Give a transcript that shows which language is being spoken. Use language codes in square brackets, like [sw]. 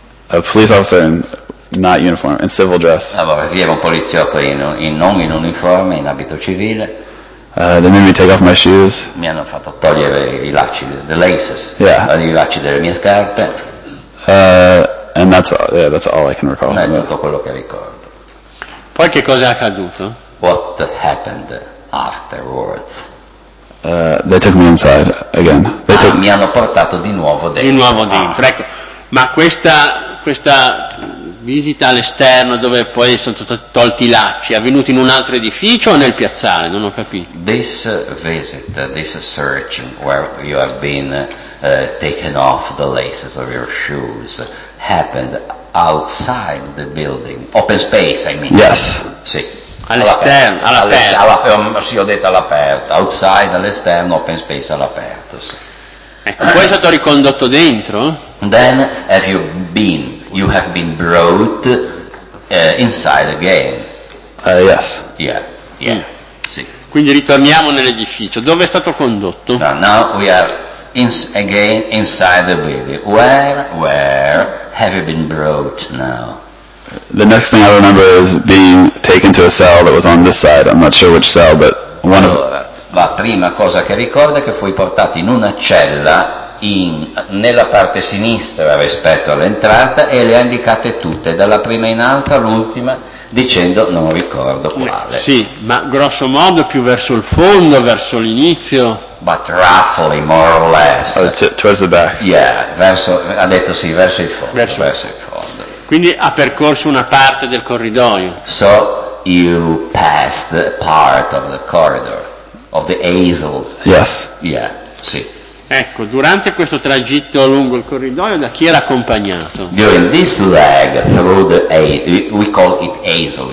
[en] A police officer in not uniform, in civil dress. [it] Allora, vi era un poliziotto in uniforme, in abito civile. [en] They made me take off my shoes. [it] Mi hanno fatto togliere i lacci, [en] the laces. Yeah. [it] I lacci delle mie scarpe. [en] And that's all I can recall. [it] Non è tutto quello che ricordo. Poi che cosa è accaduto? [en] What happened afterwards? They took me inside again. [it] Mi hanno portato di nuovo dentro. Di nuovo dentro. Ecco. Ma questa visita all'esterno dove poi sono tolti i lacci, è avvenuto in un altro edificio o nel piazzale? Non ho capito. [en] This visit, this search where you have been taken off the laces of your shoes happened outside the building, open space I mean. Yes. [it] Sì. All'esterno, all'aperto. Sì, ho detto all'aperto, [en] outside, [it] all'esterno, [en] open space, [it] all'aperto, sì. Ecco, poi è stato ricondotto dentro? [en] Then have you been brought inside again? Yes. Yeah. Mm. Sì. [it] Quindi ritorniamo nell'edificio. Dove è stato condotto? [en] Now we are again inside the building. Where have you been brought now? The next thing I remember is being taken to a cell that was on this side. I'm not sure which cell, but one of. [it] La prima cosa che ricorda è che fui portato in una cella nella parte sinistra rispetto all'entrata e le ha indicate tutte, dalla prima in alto all'ultima, dicendo non ricordo quale. Sì, ma grosso modo più verso il fondo, verso l'inizio. [en] But roughly, more or less. Towards the back. [it] Yeah, verso il fondo. Verso il fondo. Quindi ha percorso una parte del corridoio. [en] So you passed part of the corridor. Of the hazel. Yes. Yeah. Sì. [it] Ecco, durante questo tragitto lungo il corridoio, da chi era accompagnato? [en] During this leg through the we call it hazel.